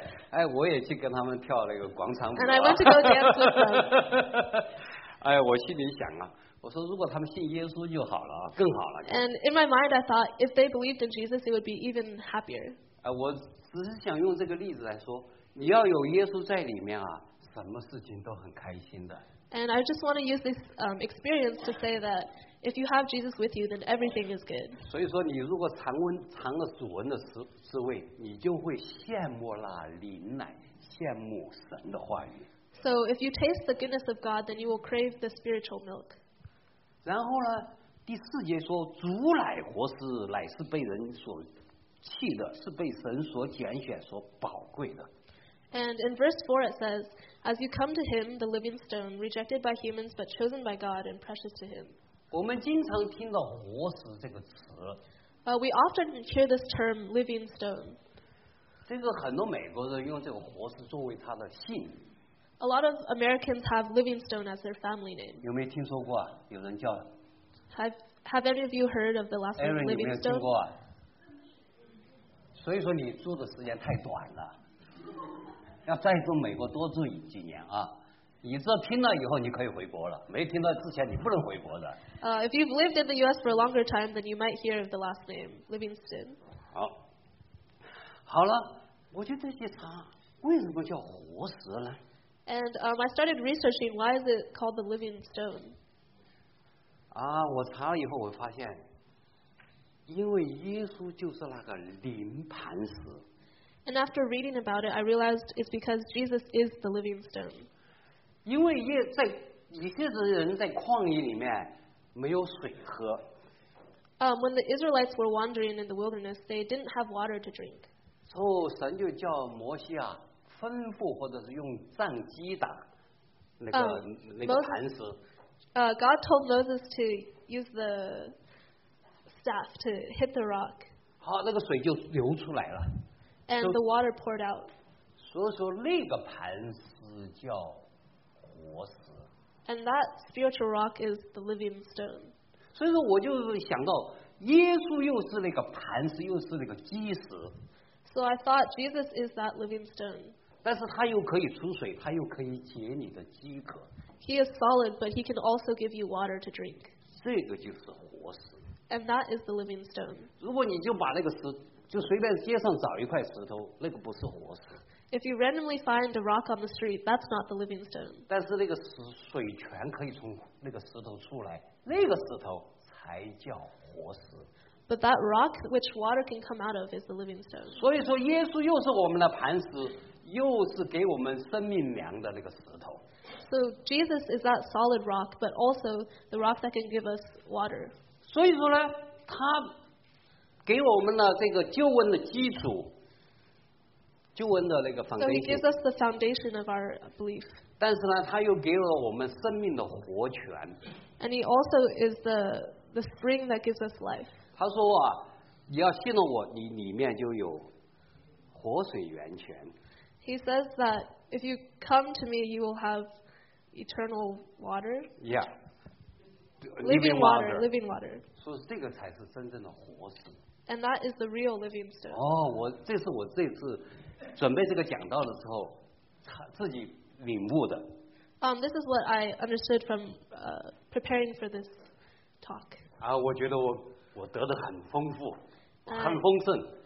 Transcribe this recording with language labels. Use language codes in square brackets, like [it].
[zh] 哎，我也去跟他们跳那个广场舞、啊。 [en] And I went to go dance with them. [zh] 哎，我心里想啊，我说如果他们信耶稣就好了，更好了。 [en] And in my mind, I thought if they believed in Jesus, it would be even happier. [zh] 哎，我只是想用这个例子来说，你要有耶稣在里面啊，什么事情都很开心的。 [en] And I just want to use this experience to say that if you have Jesus with you, then everything is good. [zh] 所以说，你如果尝了主恩的滋味，你就会羡慕那灵奶，羡慕神的话语。 [en] So if you taste the goodness of God, then you will crave the spiritual milk. [zh] 然后呢，第四节说，主乃活石，乃是被人所弃的，是被神所拣选、所宝贵的。 [en] And in verse 4 it says, As you come to him, the living stone, rejected by humans but chosen by God and precious to him. [zh] 我们经常听到活石这个词。 [en] We often hear this term, living stone. [zh] 这个很多美国人用这个活石作为他的姓。 [en] A lot of Americans have living stone as their family name. [zh] 有没有听说过、啊、有人叫。 [en] Have any of you heard of the last name Aaron, living stone? [zh] 有没有听过、啊、所以说你住的时间太短了。要再住美国多住几年啊，你这听了以后你可以回国了，没听到之前你不能回国的。 [en] If you've lived in the U.S. for a longer time, then you might hear of the last name Livingston. [zh] 好，好了，我就在去查为什么叫活石呢。 [en] And I started researching why is it called the Living Stone. [zh] 啊，我查了以后我发现，因为耶稣就是那个灵磐石。 [en] And after reading about it, I realized it's because Jesus is the Living Stone. [zh] 因为在以色列人在旷野里面没有水喝。 [en] When the Israelites were wandering in the wilderness, they didn't have water to drink. So [zh] 神就叫摩西啊，吩咐或者是用杖击打那个磐石。 [en] God told Moses to use the staff to hit the rock. [zh] 好，那个水就流出来了。 [en] And the water poured out. [zh] 所以说那个磐石叫活石。 [en] And that spiritual rock is the living stone. [zh] 所以说我就想到，耶稣又是那个磐石，又是那个基石。 [en] So I thought Jesus is that living stone. [zh] 但是他又可以出水，他又可以解你的饥渴。 [en] He is solid, but he can also give you water to drink. [zh] 这个就是活石。 [en] And that is the living stone. [zh] 如果你就把那个石就随便街上找一块石头，那个不是活石。 [en] If you randomly find a rock on the street, that's not the living stone. [zh] 但是那个水泉可以从那个石头出来，那个石头才叫活石。 [en] But that rock which water can come out of is the living stone. [zh] 所以说，耶稣又是我们的磐石，又是给我们生命粮的那个石头。 [en] So Jesus is that solid rock, but also the rock that can give us water. [zh] 所以说呢，他给我们的这个救恩的基础，救恩的那个 foundation。 [en] So he gives us the foundation of our belief. [zh] 但是呢，他又给了我们生命的活泉。 [en] And he also is the spring that gives us life. [zh] 他说啊，你要信了我，你里面就有活水源泉。 [en] He says that if you come to me, you will have eternal water. Yeah. Living water. Living water. [zh] 所以这个才是真正的活水。 [en] And that is the real living stone. [zh] 哦，我这是我这次准备这个讲道的时候，自己领悟的。 [en] This is what I understood from preparing for this talk. [zh] 啊，我觉得我得的很丰富，很丰盛。